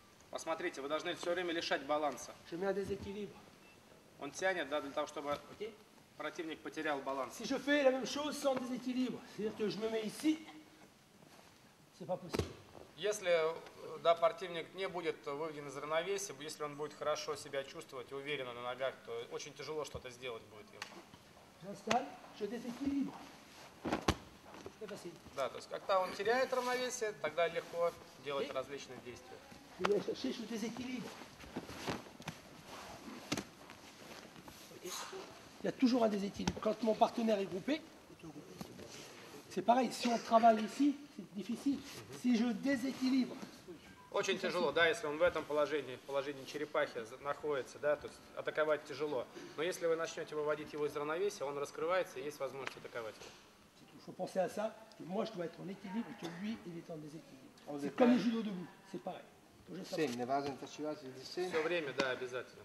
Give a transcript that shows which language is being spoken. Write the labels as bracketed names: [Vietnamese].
[Russian] Посмотрите, вы должны все время лишать баланса. Он тянет, да, для того, чтобы противник потерял баланс. [French] Si je fais la même chose sans déséquilibre, c'est-à-dire que je me mets ici, c'est pas possible. [Russian] Если, да, противник не будет выведен из равновесия, если он будет хорошо себя чувствовать и уверенно на ногах, то очень тяжело что-то сделать будет ему. Да, то есть когда он теряет равновесие, тогда легко делать различные действия. [French] Okay. il y a toujours un déséquilibre. Quand mon partenaire est groupé, c'est pareil. Si on travaille ici, c'est difficile. Si je déséquilibre. [Russian] Очень тяжело, да, если он в этом положении, в положении черепахи находится, да, то есть атаковать тяжело. Но если вы начнете выводить его из равновесия, он раскрывается, и есть возможность атаковать. [French] Faut penser à ça, que moi je dois être en équilibre, que lui il est en déséquilibre. C'est comme le judo debout, c'est pareil. [Russian] Все время, да, обязательно.